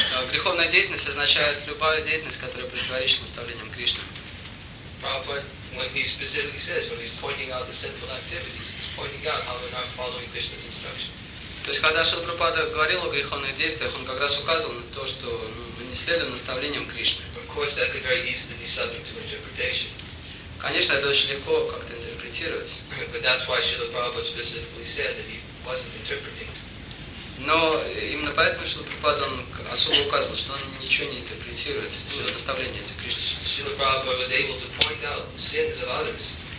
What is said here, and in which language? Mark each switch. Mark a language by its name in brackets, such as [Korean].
[Russian] Греховная деятельность означает любая деятельность, которая противоречит наставлениям Кришны. [English] Prabhupada, when he specifically says, when he's pointing out the sinful activities, he's pointing out how they're not following Krishna's instructions. [Russian] То есть, когда Шрила Прабхупада говорил о греховных действиях, он как раз указывал на то, что мы не следуем наставлениям Кришны. [English] Of course, that could very easily be subject to interpretation. [Russian] Конечно, это очень легко как-то интерпретировать. [English] But that's why Шрила Прабхупада specifically said that he wasn't interpreting. [Russian] Но именно поэтому Шрила Прабхупада особо указывал, что он ничего не интерпретирует, все наставления эти Кришны. [English] Шрила Прабхупада was able to point out sins of others.